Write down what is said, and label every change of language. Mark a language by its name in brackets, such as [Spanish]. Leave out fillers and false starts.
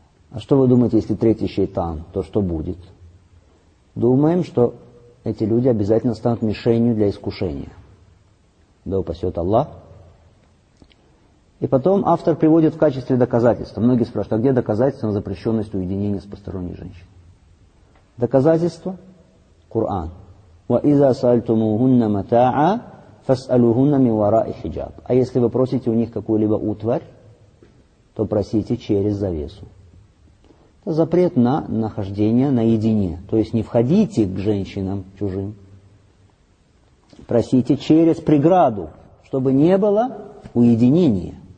[Russian] А что вы думаете, если третий шейтан, то что будет? Думаем, что эти люди обязательно станут мишенью для искушения. Да упасет Аллах. И потом автор приводит в качестве доказательства. Многие спрашивают, а где доказательство на запрещенность уединения с посторонней женщиной? Доказательство? Коран. [Arabic] وَإِذَا سَأَلْتُمُوهُنَّ مَتَاعًا فَسْأَلُهُنَّ مِنْ وَرَاءِ حِجَابِ. [Russian] А если вы просите у них какую-либо утварь, то просите через завесу. Это запрет на нахождение наедине. То есть не входите к женщинам чужим. Просите через преграду, чтобы не было уединения.